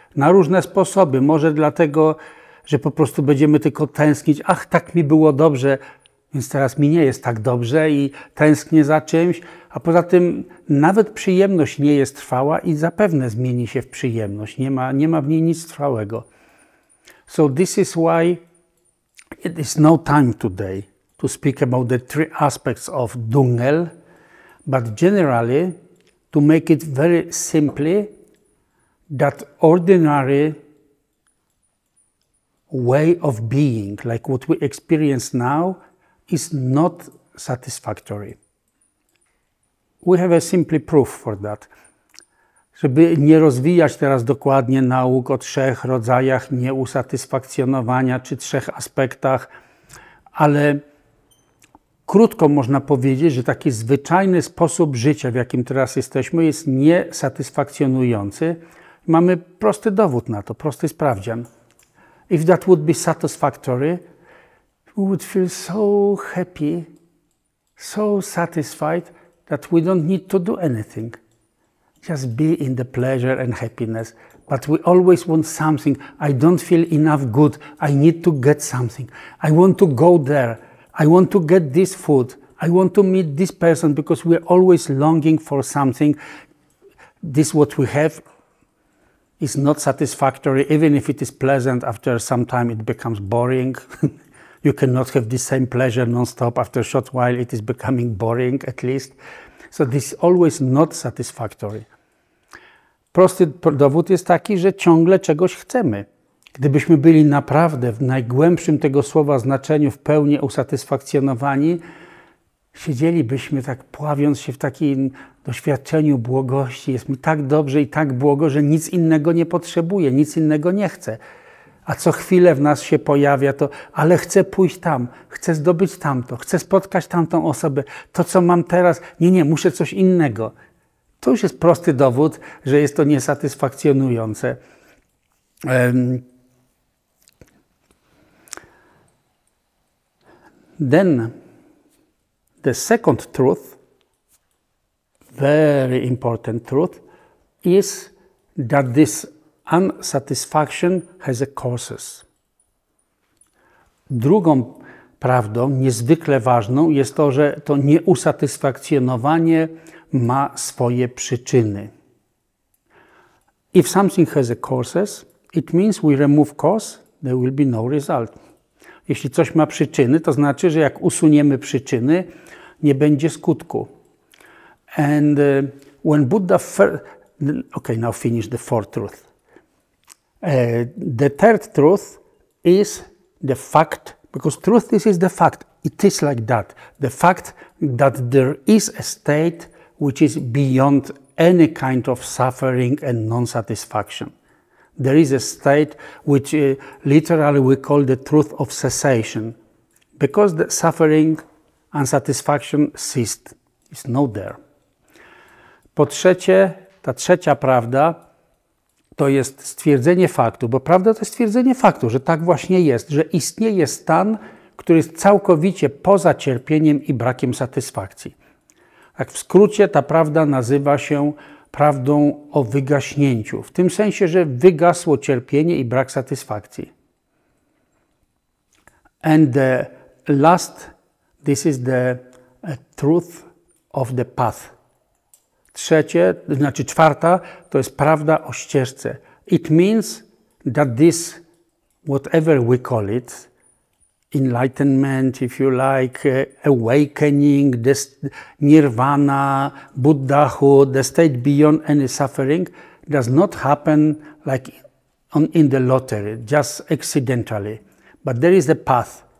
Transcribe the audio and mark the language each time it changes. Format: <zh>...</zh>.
<pl>na różne sposoby. Może dlatego, że po prostu będziemy tylko tęsknić. Ach, tak mi było dobrze, więc teraz mi nie jest tak dobrze i tęsknię za czymś. A poza tym nawet przyjemność nie jest trwała i zapewne zmieni się w przyjemność. Nie ma w niej nic trwałego.</pl> <en>So this is why it is no time today to speak about the three aspects of Dungel, but generally to make it very simply that ordinary way of being, like what we experience now, is not satisfactory. We have a simple proof for that.</en> <pl>Żeby nie rozwijać teraz dokładnie nauk o trzech rodzajach nieusatysfakcjonowania czy trzech aspektach, ale krótko można powiedzieć, że taki zwyczajny sposób życia, w jakim teraz jesteśmy, jest niesatysfakcjonujący. Mamy prosty dowód na to, prosty sprawdzian.</pl> <en>If that would be satisfactory, we would feel so happy, so satisfied, that we don't need to do anything. Just be in the pleasure and happiness. But we always want something. I don't feel enough good. I need to get something. I want to go there. I want to get this food. I want to meet this person, because we're always longing for something. This what we have is not satisfactory. Even if it is pleasant, after some time it becomes boring. You cannot have the same pleasure non-stop. After a short while it is becoming boring, at least. So this is always not satisfactory.</en> <pl>Prosty dowód jest taki, że ciągle czegoś chcemy. Gdybyśmy byli naprawdę w najgłębszym tego słowa znaczeniu w pełni usatysfakcjonowani, siedzielibyśmy tak pławiąc się w takim doświadczeniu błogości. Jest mi tak dobrze i tak błogo, że nic innego nie potrzebuję, nic innego nie chcę. A co chwilę w nas się pojawia to, ale chcę pójść tam, chcę zdobyć tamto, chcę spotkać tamtą osobę, to co mam teraz, nie, muszę coś innego. To już jest prosty dowód, że jest to niesatysfakcjonujące.</pl> <en>Then, the second truth, very important truth, is that this unsatisfaction has a causes.</en> <pl>Drugą prawdą, niezwykle ważną, jest to, że to nieusatysfakcjonowanie ma swoje przyczyny.</pl> <en>If something has a causes, it means we remove cause, there will be no result.</en> <pl>Jeśli coś ma przyczyny, to znaczy, że jak usuniemy przyczyny, nie będzie skutku.</pl> <en>And when Buddha first... Okay, now finish the fourth truth. The third truth is the fact, because truth, this is the fact. It is like that. The fact that there is a state which is beyond any kind of suffering and non-satisfaction. There is a state which literally we call the truth of cessation, because the suffering and satisfaction ceased, is not there.</en> <pl>Po trzecie, ta trzecia prawda to jest stwierdzenie faktu, bo prawda to jest stwierdzenie faktu, że tak właśnie jest, że istnieje stan, który jest całkowicie poza cierpieniem i brakiem satysfakcji. Tak w skrócie, ta prawda nazywa się prawdą o wygaśnięciu. W tym sensie, że wygasło cierpienie i brak satysfakcji.</pl> <en>And the last, this is the truth of the path.</en> <pl>Czwarta, to jest prawda o ścieżce.</pl> <en>It means that this, whatever we call it, enlightenment, if you like, awakening, nirvana, Buddhahood, the state beyond any suffering, does not happen like in the lottery, just accidentally. But there is a path.</en>